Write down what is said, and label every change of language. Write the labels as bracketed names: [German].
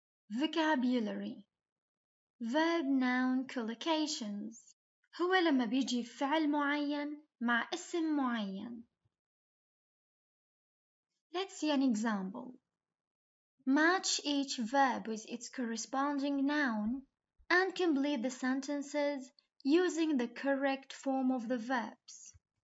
[English] Vocabulary. Verb noun collocations. [Arabic] هو لما بيجي فعل معين مع اسم معين. [English] Let's see an example. Match each verb with its corresponding noun and complete the sentences using the correct form of the verbs.